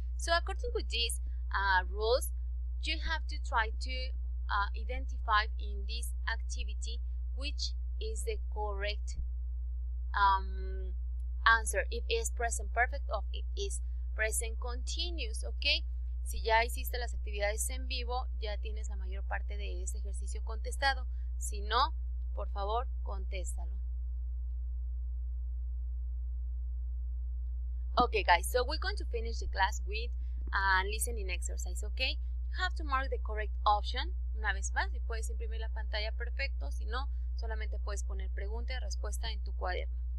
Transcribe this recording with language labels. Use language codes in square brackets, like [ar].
[en] So according to these rules, you have to try to identify in this activity which is the correct answer, if it is present perfect or it is present continuous, okay? [es] Si ya hiciste las actividades en vivo, ya tienes la mayor parte de ese ejercicio contestado. Si no, por favor, contéstalo. [en] Okay, guys, so we're going to finish the class with a listening exercise, okay? You have to mark the correct option. [es] Una vez más, y puedes imprimir la pantalla, perfecto. Si no, solamente puedes poner pregunta y respuesta en tu cuaderno.